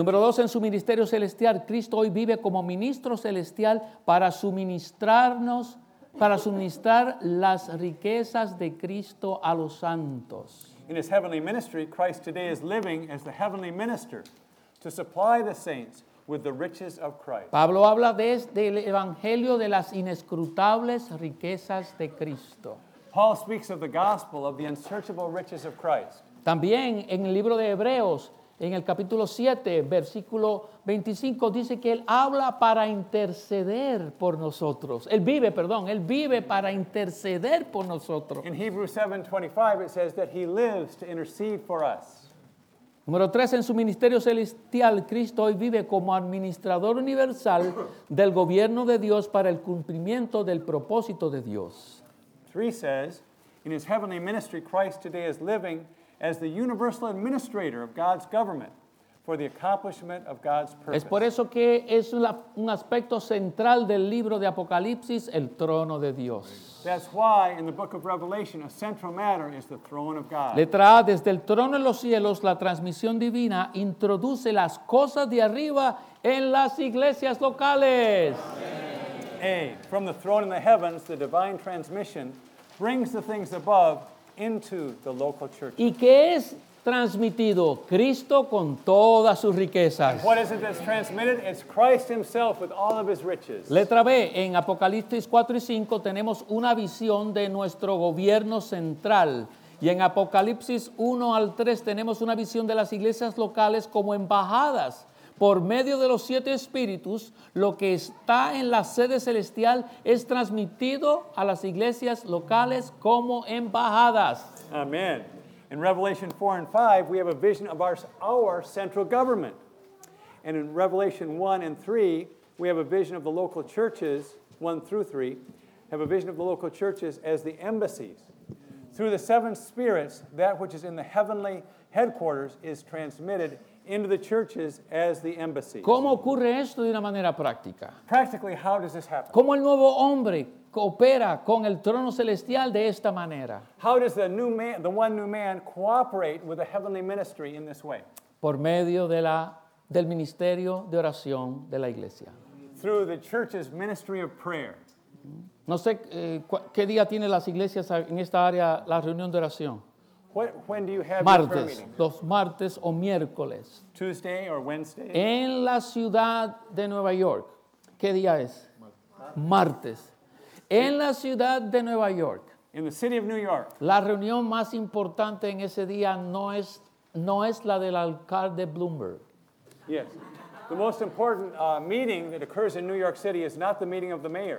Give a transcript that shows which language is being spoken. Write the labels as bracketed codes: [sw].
[es] Número dos, en su ministerio celestial, Cristo hoy vive como ministro celestial para suministrarnos, para suministrar las riquezas de Cristo a los santos. [en] In his heavenly ministry, Christ today is living as the heavenly minister to supply the saints with the riches of Christ. [es] Pablo habla del evangelio de las inescrutables riquezas de Cristo. [en] Paul speaks of the gospel of the unsearchable riches of Christ. [es] También en el libro de Hebreos, en el capítulo 7, versículo 25, dice que él habla para interceder por nosotros. Él vive para interceder por nosotros. [en] In Hebrews 7:25, it says that he lives to intercede for us. [es] Número tres, en su ministerio celestial, Cristo hoy vive como administrador universal del gobierno de Dios para el cumplimiento del propósito de Dios. [en] 3 says, in his heavenly ministry, Christ today is living as the universal administrator of God's government for the accomplishment of God's purpose. [es] Es por eso que es un aspecto central del libro de Apocalipsis, el trono de Dios. [en] That's why in the book of Revelation a central matter is the throne of God. [es] Letra A, desde el trono de los cielos, la transmisión divina introduce las cosas de arriba en las iglesias locales. [en] Amen. A, from the throne in the heavens, the divine transmission brings the things above into the local church. [es] ¿Y qué es transmitido? Cristo con todas sus riquezas. [en] What is it that's transmitted? It's Christ himself with all of his riches. [es] Letra B, en Apocalipsis 4 y 5 tenemos una visión de nuestro gobierno central. Y en Apocalipsis 1 al 3 tenemos una visión de las iglesias locales como embajadas por medio de los siete espíritus. Lo que está en la sede celestial es transmitido a las iglesias locales como embajadas. Amén. [en] In Revelation 4 and 5, we have a vision of our central government. And in Revelation 1 and 3, we have a vision of the local churches, 1 through 3, have a vision of the local churches as the embassies. Through the seven spirits, that which is in the heavenly headquarters is transmitted into the churches as the embassy. [es] ¿Cómo ocurre esto de una manera práctica? [en] Practically, how does this happen? [es] ¿Cómo el nuevo hombre coopera con el trono celestial de esta manera? [en] How does the new man, the one new man, cooperate with the heavenly ministry in this way? [es] Por medio de del ministerio de oración de la iglesia. [en] Through the church's ministry of prayer. [es] No sé qué día tienen las iglesias en esta área la reunión de oración. [en] When do you have [es] martes, [en] your prayer [es] meetings? Los martes o miércoles. [en] Tuesday or Wednesday. [es] En la ciudad de Nueva York. ¿Qué día es? Martes. En la ciudad de Nueva York. [en] In the city of New York. [es] La reunión más importante en ese día no es la del alcalde Bloomberg. [en] Yes. The most important meeting that occurs in New York City is not the meeting of the mayor.